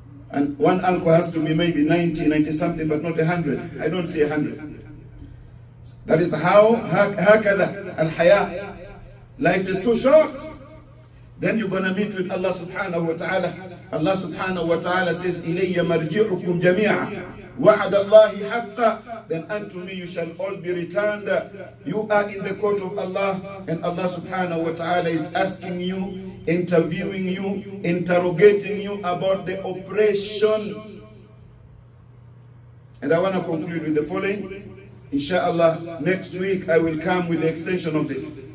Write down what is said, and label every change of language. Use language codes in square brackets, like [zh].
[en] And one uncle has to be maybe 90, 90 something, but not 100. I don't see 100. That is how, [ar] hakada al-haya. [en] Life is too short. Then you're going to meet with Allah subhanahu wa ta'ala. Allah subhanahu wa ta'ala says, [ar] إِلَيَّ مَرْجِعُكُمْ جَمِيعًا وَعَدَ اللَّهِ حَقًّا. [en] Then unto me you shall all be returned. You are in the court of Allah, and Allah subhanahu wa ta'ala is asking you, interviewing you, interrogating you about the oppression. And I want to conclude with the following. Inshallah, next week I will come with the extension of this.